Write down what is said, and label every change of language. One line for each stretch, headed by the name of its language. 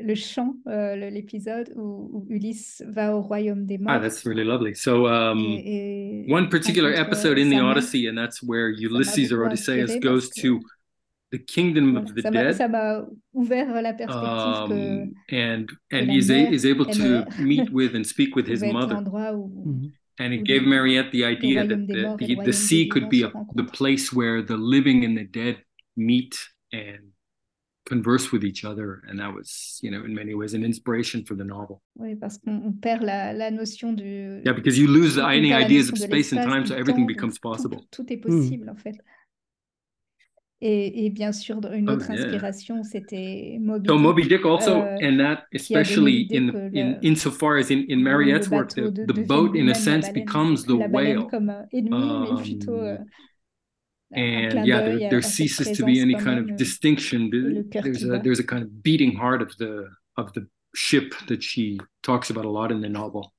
French: le chant, l'épisode où, où Ulysse va au royaume des morts.
English: Ah, that's really lovely. So et one particular episode in the Odyssey, and that's where Ulysses or Odysseus goes to the kingdom of the dead.
French: Ça m'a ouvert la perspective
English: and he is able to meet with and speak with his mother. And it gave Mariette the idea that the sea could be the place where the living and the dead meet and converse with each other. And that was, you know, in many ways, an inspiration for the novel.
French: Oui, parce qu'on perd la notion du...
English: Yeah, because you lose any ideas of space and time, so everything becomes possible.
French: Tout est possible, en fait. Et bien sûr, une autre inspiration, c'était Moby Dick.
English: So Moby Dick also, and that especially insofar as in Mariette's work, the boat, in a sense, becomes the whale.
French: Comme ennemi, mais plutôt,
English: and yeah, there ceases to be any kind of distinction. There's a kind of beating heart of the ship that she talks about a lot in the novel.